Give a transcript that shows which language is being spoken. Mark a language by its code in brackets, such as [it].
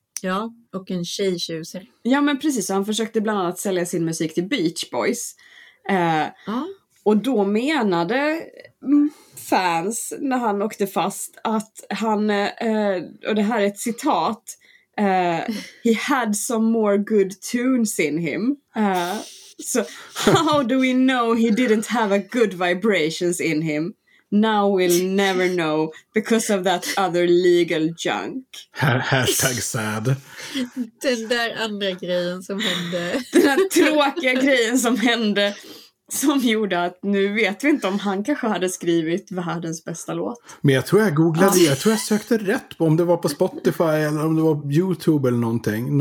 [sv] Ja, och en tjejtjuser. Ja, men precis. Han försökte bland annat sälja sin musik till Beach Boys. Och då menade fans när han åkte fast att han, och det här är ett citat, [en] He had some more good tunes in him. So how do we know he didn't have a good vibrations in him? Now we'll never know because of that other legal junk. Hashtag sad. [sv] Den där andra grejen som hände. Den där tråkiga grejen som hände. Som gjorde att nu vet vi inte om han kanske hade skrivit världens bästa låt. Men jag tror jag googlade, jag tror jag sökte rätt på om det var på Spotify eller om det var YouTube eller någonting.